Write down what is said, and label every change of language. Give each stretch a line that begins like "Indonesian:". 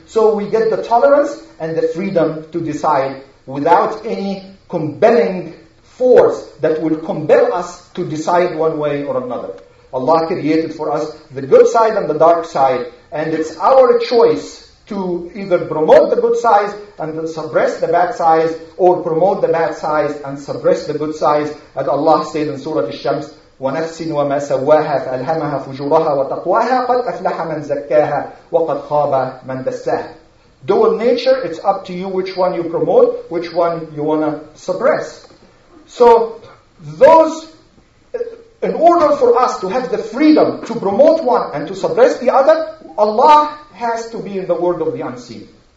English: So we get the tolerance and the freedom to decide without any compelling force that will compel us to decide one way or another. Allah created for us the good side and the dark side, and it's our choice to either promote the good side and suppress the bad side, or promote the bad side and suppress the good side. As Allah said in Surah Al-Shams,
Arabic: وَنَفْسٍ وَمَا سَوَّاهَا فَأَلْهَمَهَا فُجُورَهَا وَتَقْوَاهَا قَدْ أَفْلَحَ مَنْ زَكَّاهَا وَقَدْ خَابَ مَنْ دَسَّاهَا.
English: Dual nature, it's up to you which one you promote, which one you want to suppress. So those, in order for us to have the freedom to promote one and to suppress the other, Allah has to be in the world of the unseen.